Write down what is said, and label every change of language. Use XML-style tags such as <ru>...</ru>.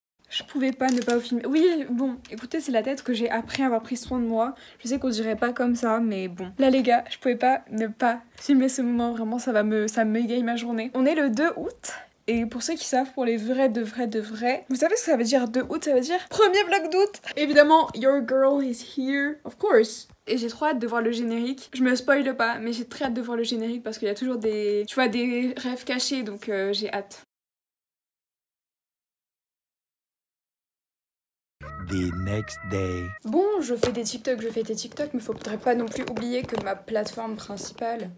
<fr>Je pouvais pas ne pas vous filmer. Oui, bon, écoutez, c'est la tête que j'ai après avoir pris soin de moi. Je sais qu'on dirait pas comme ça, mais bon. Là, les gars, je pouvais pas ne pas filmer ce moment. Vraiment, ça égaye ma journée. On est le 2 août. Et pour ceux qui savent, pour les vrais, de vrais, de vrais, vous savez ce que ça veut dire 2 août? Ça veut dire premier vlog d'août.</fr> <en>Évidemment, your girl is here, of course.</en> <fr>Et j'ai trop hâte de voir le générique. Je me spoile pas, mais j'ai très hâte de voir le générique parce qu'il y a toujours des, tu vois, des rêves cachés, donc j'ai hâte.</fr> <en>The next day.</en> <fr>Bon, je fais des TikTok, mais faudrait pas non plus oublier que ma plateforme principale.</fr>